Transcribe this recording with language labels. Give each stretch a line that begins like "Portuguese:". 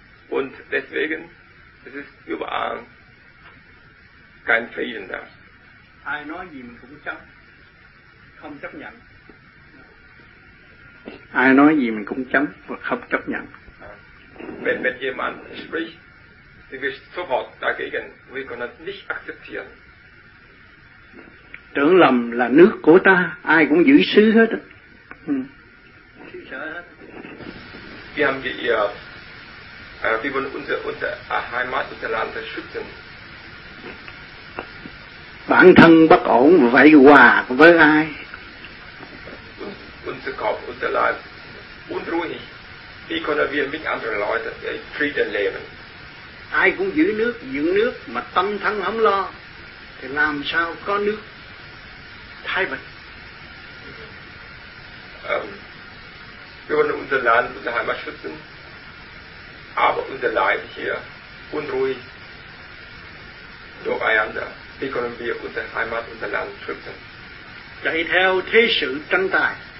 German: Und deswegen es ist überall kein Frieden da.
Vietnamese: Ai nói gì mình cũng chấp, không chấp nhận. Ai nói gì mình cũng chấm và không chấp nhận.
German: Wenn jemand spricht, sind wir sofort dagegen. Wir können es nicht akzeptieren.
Vietnamese: Tưởng lầm là nước của ta, ai cũng giữ xứ hết.
German: Wir haben geirrt. Wir wollen unsere Heimat, unser Land schützen.
Vietnamese: Bản thân bất ổn, vậy hòa với ai?
German: Unser Kopf, unser Leib, unruhig. Wie können wir mit anderen Leuten Frieden leben?
Vietnamese: Ai cũng giữ nước, dưỡng nước, mà tâm thân không lo, thì làm sao có nước thái bình?
German: Wir wollen unser Land, unsere Heimat schützen, aber unser Leib hier unruhig. Durcheinander. Wie können wir unsere Heimat, unser Land schützen?
Vietnamese: Chạy theo thế sự tranh tài.